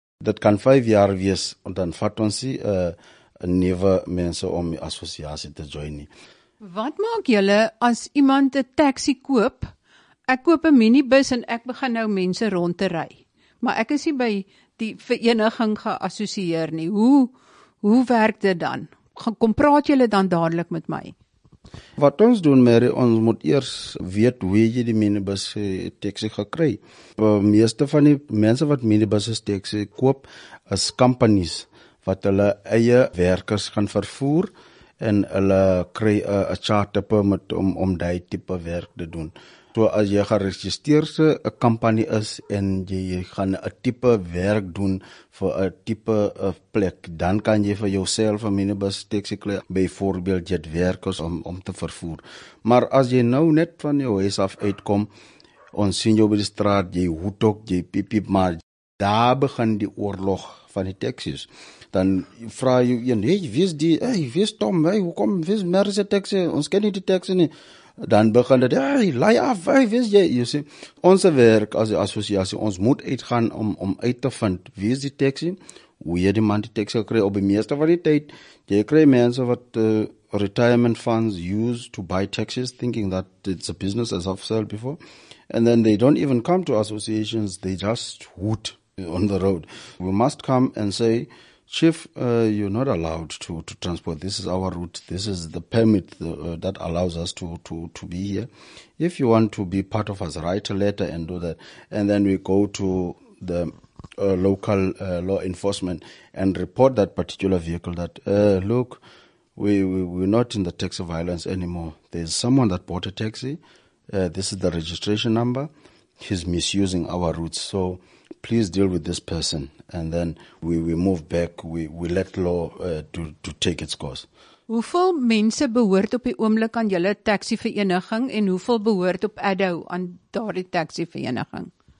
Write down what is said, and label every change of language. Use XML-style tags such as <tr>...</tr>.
<af>Dit kan 5 jaar wees, en dan vat ons die nuwe mense om die assosiasie te join nie. Wat maak julle as iemand 'n taxi koop? Ek koop 'n minibus en ek begin nou mense rond te ry, maar ek is nie by die vereniging geassosieer nie. Hoe werk dit dan? Kom praat julle dan dadelik met my. Wat ons doen, Mary, ons moet eers weet hoe jy die minibus taxi gekry. Meeste van die mense wat minibus taxi koop, is companies wat hulle eie werkers gaan vervoer, en hulle kry 'n charter permit om daai tipe werk te doen. So as jy geregistreer 'n company is en jy gaan 'n tipe werk doen vir 'n tipe plek, dan kan jy vir jouself 'n minibus taxi kry, byvoorbeeld jy werkers om te vervoer. Maar as jy nou net van jou huis af uitkom, ons sien jou by die straat, jy hoed ook, jy piep piep, maar daar begin die oorlog van die taxis. Dan vra jy een, hey, wie is die, hey, wie is Tom, hey, hoekom, wie is Merse taxi, ons ken nie die taxi nie. Dan begin dit, hey, laai af, hey, wie is jy, sê, ons werk as die associatie, ons moet uitgaan om uit te vind, wie is die taxi, hoe jy die man die taxi gekry. Op die meeste van die tyd, jy kry mense wat</af> <en>retirement funds use to buy taxis, thinking that it's a business, as I've said before, and then they don't even come to associations, they just hoot on the road. We must come and say, chief, you're not allowed to transport. This is our route. This is the permit that allows us to be here. If you want to be part of us, write a letter and do that. And then we go to the local law enforcement and report that particular vehicle that, look, we're not in the taxi violence anymore. There's someone that bought a taxi. This is the registration number. He's misusing our routes. So please deal with this person, and then we move back, we let law to take its course.</en> <af>Hoeveel mense behoort op die oomblik aan julle taxi vereniging, en hoeveel behoort op Addo aan daardie taxi vereniging?</af>